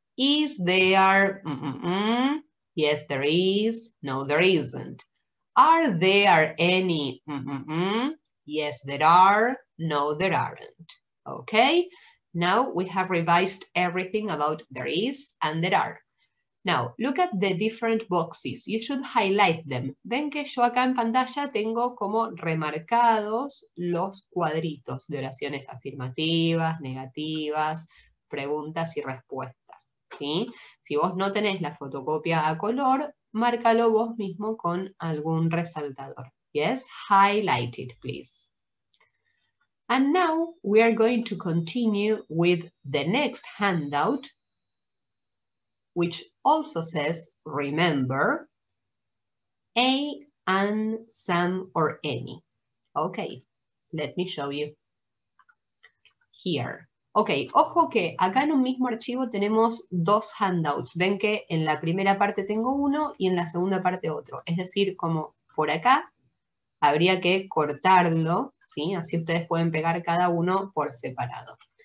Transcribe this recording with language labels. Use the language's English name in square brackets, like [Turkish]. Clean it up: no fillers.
[English] Is there? Yes, there is. No, there isn't. Are there any? Yes, there are. No, there aren't. Okay, now we have revised everything about there is and there are. Now, look at the different boxes. You should highlight them. [Spanish] Ven que yo acá en pantalla tengo como remarcados los cuadritos de oraciones afirmativas, negativas, preguntas y respuestas, ¿sí? Si vos no tenés la fotocopia a color, márcalo vos mismo con algún resaltador. [English] Yes, highlight it, please. And now we are going to continue with the next handout, which also says, remember, a, an, some, or any. Okay, let me show you here. [Spanish] Okay, ojo que acá en un mismo archivo tenemos dos handouts. Ven que en la primera parte tengo uno y en la segunda parte otro. Es decir, como por acá, habría que cortarlo, ¿sí? Así ustedes pueden pegar cada uno por separado.